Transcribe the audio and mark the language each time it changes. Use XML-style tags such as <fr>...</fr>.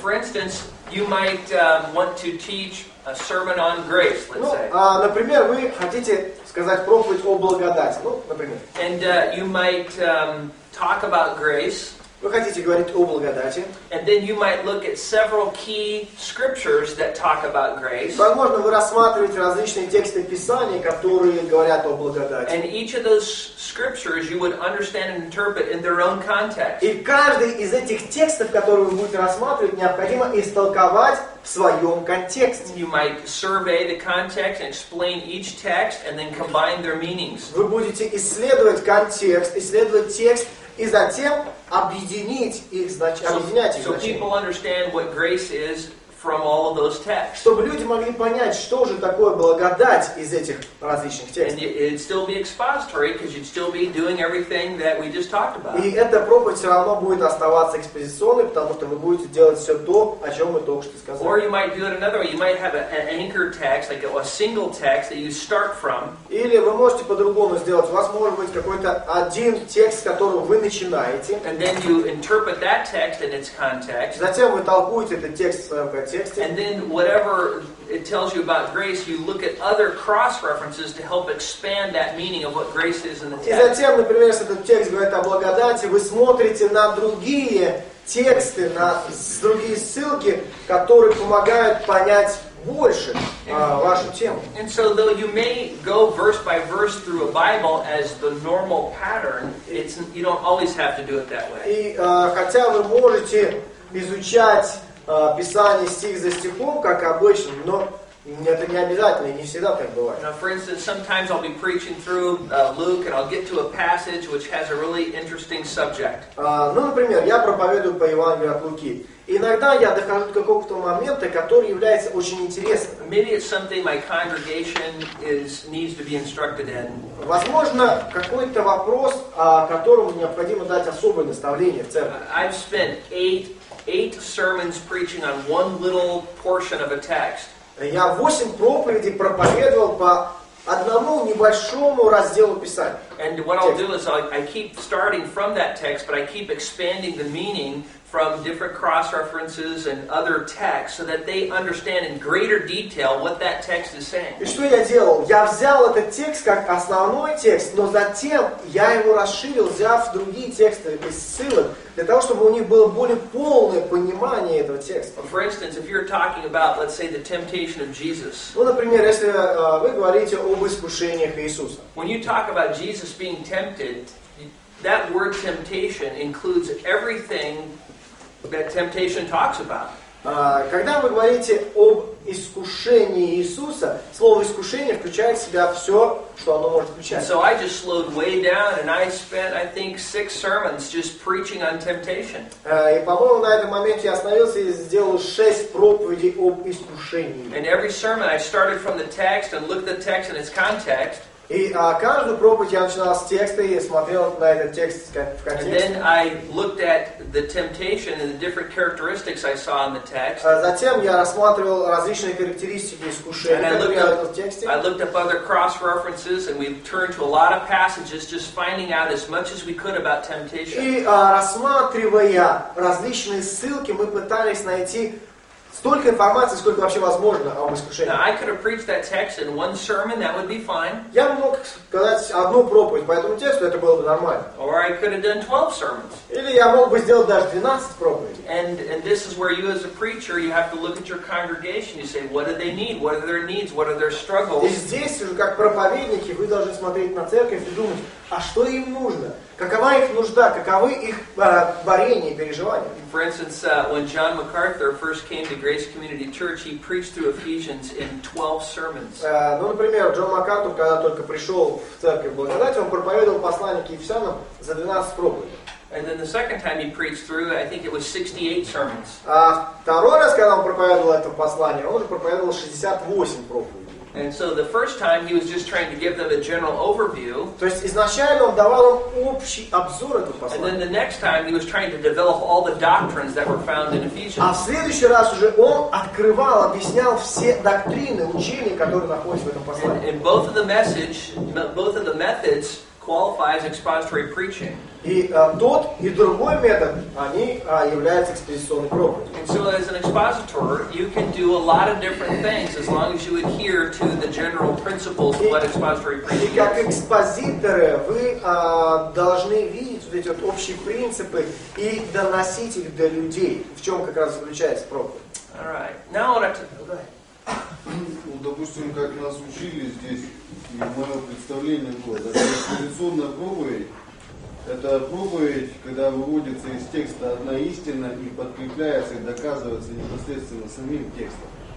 <en>For instance, you might want to teach a sermon on grace, let's say.</en> <ru>Ну, например, вы хотите сказать проповедь о благодати. Ну, например.</ru> <en>And you might talk about grace.</en> <ru>Вы хотите говорить о благодати.</ru> <en>And then you might look at several key scriptures that talk about grace.</en> <ru>Возможно, вы рассматриваете различные тексты Писания, которые говорят о благодати.</ru> <en>And each of those scriptures you would understand and interpret in their own context.</en> <ru>И каждый из этих текстов, которые вы будете рассматривать, необходимо истолковать в своем контексте.</ru> <en>You might survey the context and explain each text and then combine their meanings.</en> <ru>Вы будете исследовать контекст, исследовать текст, и затем объединять их значения.</ru> <en>So people understand what grace is from all of those texts.</en> <ru>Чтобы люди могли понять, что же такое благодать из этих различных текстов.</ru> <en>And it'd still be expository because you'd still be doing everything that we just talked about.</en> <ru>И эта проповедь все равно будет оставаться экспозиционной, потому что вы будете делать все то, о чем мы только что сказали.</ru> <en>Or you might do it another way. You might have an anchor text, like a single text that you start from.</en> <ru>Или вы можете по-другому сделать. У вас может быть какой-то один текст, с которого вы начинаете.</ru> <en>And then you interpret that text in its context.</en> <ru>Затем вы толкуете этот текст в своем контексте.</ru> <en>And then whatever it tells you about grace, you look at other cross references to help expand that meaning of what grace is in the text.</en> <ru>И затем, например, если этот текст говорит о благодати, вы смотрите на другие тексты, на другие ссылки, которые помогают понять больше вашу тему.</ru> <en>And so though you may go verse by verse through a Bible as the normal pattern, it's you don't always have to do it that way.</en> <ru>И хотя вы можете изучать Писание стих за стихом, как обычно, но это не обязательно, не всегда так бывает.</ru> <en>Now, for instance, sometimes I'll be preaching through Luke and I'll get to a passage which has a really interesting subject.</en> <ru>Например, я проповедую по Евангелию от Луки. Иногда я дохожу до какого-то момента, который является очень интересным.</ru> <en>Maybe it's something my congregation needs to be instructed in.</en> <ru>Возможно, какой-то вопрос, которому необходимо дать особое наставление в церкви.</ru> <en>I've spent eight sermons preaching on one little portion of a text.</en> <ru>Я 8 проповедей проповедовал по одному небольшому разделу Писания.</ru> <en>And what I'll do is I keep starting from that text, but I keep expanding the meaning from different cross references and other texts so that they understand in greater detail what that text is saying.</en> <ru>И что я делал? Я взял этот текст как основной текст, но затем я его расширил, взяв другие тексты из ссылок, для того, чтобы у них было более полное понимание этого текста.</ru> <en>For instance, if you're talking about, let's say, the temptation of Jesus.</en> <ru>Ну, например, если вы говорите об искушениях Иисуса.</ru> <en>When you talk about Jesus being tempted, that word temptation includes everything that temptation talks about.</en> <ru>Когда вы говорите об искушении Иисуса, слово искушение включает в себя все, что оно может включать.</ru> <en>So I just slowed way down and I spent, I think, 6 sermons just preaching on temptation.</en> <ru>И, по-моему, на этом моменте я остановился и сделал 6 проповедей об искушении.</ru> <en>And every sermon I started from the text and looked at the text in its context.</en> <ru>И каждую проповедь я начинал с текста и смотрел на этот текст в контексте.</ru> <en>And then I looked at the temptation and the different characteristics I saw in the text.</en> <ru>Затем я рассматривал различные характеристики искушения в этом тексте.</ru> <en>I looked up other cross references and we turned to a lot of passages just finding out as much as we could about temptation.</en> <ru>И рассматривая различные ссылки, мы пытались найти столько информации, сколько вообще возможно об искушении.</ru> <en>Now, I could have preached that text in one sermon, that would be fine.</en> <ru>Я мог сказать одну проповедь по этому тексту, это было бы нормально.</ru> <en>Or I could have done 12 sermons.</en> <ru>Или я мог бы сделать даже 12 проповедей.</ru> <en>And this is where you as a preacher, you have to look at your congregation. You say, what do they need? What are their needs? What are their struggles?</en> <ru>И здесь уже как проповедники, вы должны смотреть на церковь и думать, а что им нужно? Какова их нужда? Каковы их борения и переживания?</ru> <en>For instance, when John MacArthur first came to Grace Community Church, he preached through Ephesians in 12 sermons.</en> <ru>Ну, например, Джон МакАртур, когда только пришел в церковь благодати, он проповедовал послание к Ефесянам за 12 проповедей.</ru> <en>And then the second time he preached through, I think it was 68 sermons.</en> <ru>Второй раз, когда он проповедовал это послание, он уже проповедовал 68 проповедей.</ru> <en>And so the first time he was just trying to give them a general overview.</en> <ru>То есть изначально он давал им общий обзор этого послания.</ru> <en>And then the next time he was trying to develop all the doctrines that were found in Ephesians.</en> <ru>А в следующий раз уже он открывал, объяснял все доктрины, учения, которые находятся в этом послании.</ru> <en>And both of the message, both of the methods qualifies expository preaching.</en> <ru>И тот и другой метод, они являются экспозиционной проповедью.</ru> <en>And so as an expositor, you can do a lot of different things as long as you adhere to the general principles of what expository preaching is.</en> <ru>И как экспозиторы, вы должны видеть вот эти вот общие принципы и доносить их до людей. В чем как раз заключается проповедь?</ru> <en>All right. Now I want to...</en> <ru>Ну, допустим, как нас учили здесь, и мое представление было, даже традиционная проповедь, это проповедь, когда выводится из текста одна истина и подкрепляется и доказывается непосредственно самим текстом.</ru>